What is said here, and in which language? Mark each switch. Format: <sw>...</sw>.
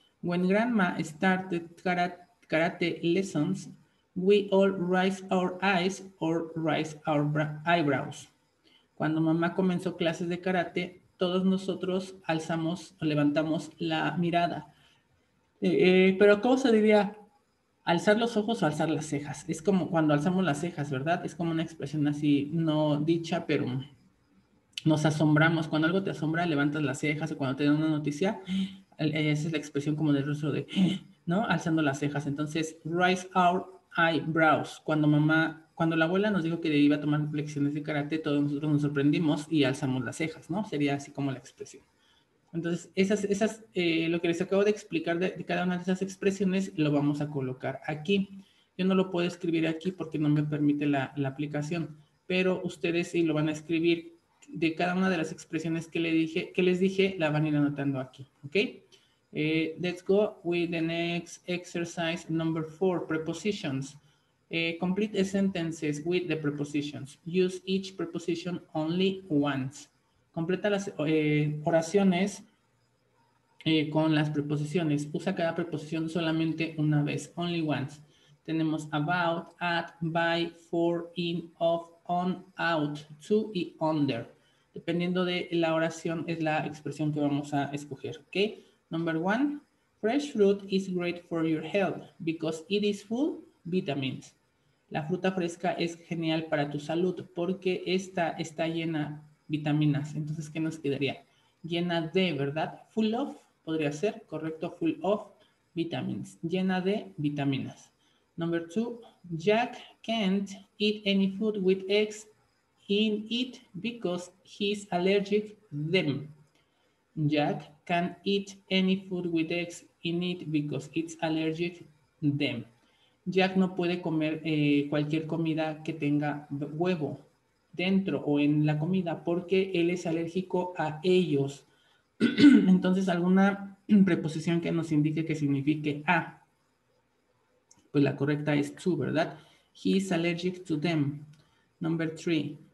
<en>When grandma started karate lessons, we all raised our eyes or raised our eyebrows.</en> <es>Cuando mamá comenzó clases de karate, todos nosotros alzamos o levantamos la mirada. Pero ¿cómo se diría? ¿Alzar los ojos o alzar las cejas? Es como cuando alzamos las cejas, ¿verdad? Es como una expresión así, no dicha, pero nos asombramos. Cuando algo te asombra, levantas las cejas o cuando te dan una noticia, esa es la expresión como del rostro de, ¿no? Alzando las cejas. Entonces,</es> <en>raise our eyebrows.</en> <es>Cuando la abuela nos dijo que iba a tomar lecciones de karate, todos nosotros nos sorprendimos y alzamos las cejas, ¿no? Sería así como la expresión. Entonces, lo que les acabo de explicar de cada una de esas expresiones, lo vamos a colocar aquí. Yo no lo puedo escribir aquí porque no me permite la aplicación, pero ustedes sí lo van a escribir de cada una de las expresiones que le dije, que les dije, la van a ir anotando aquí, ¿ok?</es> <en>Let's go with the next exercise number 4, prepositions. Complete the sentences with the prepositions. Use each preposition only once.</en> <es>Completa las oraciones con las preposiciones. Usa cada preposición solamente una vez,</es> <en>only once.</en> <es>Tenemos about, at, by, for, in, of, on, out, to y under. Dependiendo de la oración es la expresión que vamos a escoger, ¿ok?</es> <en>Number one, fresh fruit is great for your health because it is full vitamins.</en> <es>La fruta fresca es genial para tu salud porque esta está llena de vitaminas. Entonces, ¿qué nos quedaría? Llena de, ¿verdad? Full of, podría ser, correcto,</es> <en>full of vitamins.</en> <es>Llena de vitaminas.</es> <en>Number two, Jack can't eat any food with eggs in it because he's allergic to them. Jack can't eat any food with eggs in it because it's allergic to them.</en> <es>Jack no puede comer cualquier comida que tenga huevo dentro o en la comida porque él es alérgico a ellos. Entonces, alguna preposición que nos indique que signifique a. Pues la correcta es to, ¿verdad?</es> <en>He is allergic to them. Number three.</en>